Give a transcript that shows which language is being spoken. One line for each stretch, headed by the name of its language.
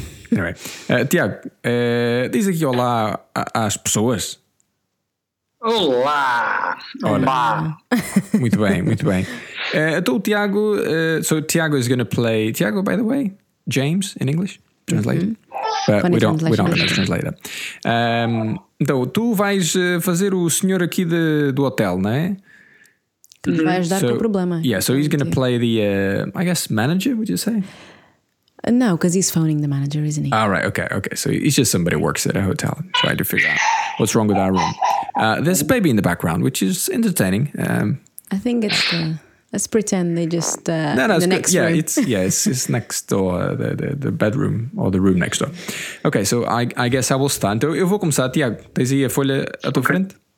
Portuguese: Anyway, Tiago, diz aqui olá às pessoas. Olá! Olá! Muito bem, muito bem. Então, Tiago,
English: so Tiago is going to play... Tiago, by the way, James in English, translated. Mm-hmm. We don't have a translator.
Portuguese: Então, tu vais fazer o senhor aqui do hotel, não é?
English: So he's going to play the, I guess, manager, would you say? No, because he's phoning the manager, isn't he? All right, okay. So he's just somebody who works at a hotel trying to figure out what's wrong with our room. There's a baby in the background, which is entertaining. I think it's the... Let's pretend they just... room. It's next door, the bedroom or the room next door. Okay, so I guess I will start.
Portuguese: Então eu vou começar. Tiago, tens aí a folha à tua frente?